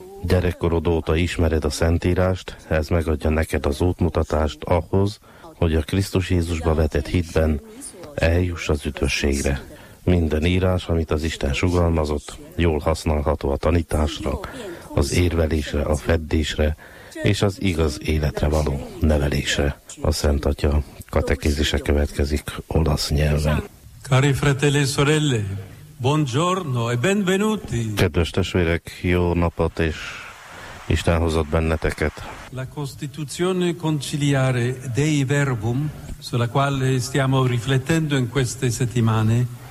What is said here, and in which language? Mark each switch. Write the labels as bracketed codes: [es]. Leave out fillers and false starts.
[hu] Gyerekkorod óta ismered a Szentírást, ez megadja neked az útmutatást ahhoz, hogy a Krisztus Jézusba vetett hitben eljuss az üdvösségre. Minden írás, amit az Isten sugalmazott, jól használható a tanításra, az érvelésre, a feddésre, és az igaz életre való nevelésre. A Szent Atya katekézise következik olasz nyelven. [it] Cari fratelli e sorelle, buongiorno e benvenuti. [hu] Kedves testvérek, jó napot, és Isten hozott benneteket. [it] La Costituzione conciliare Dei Verbum, sulla quale stiamo riflettendo in queste settimane,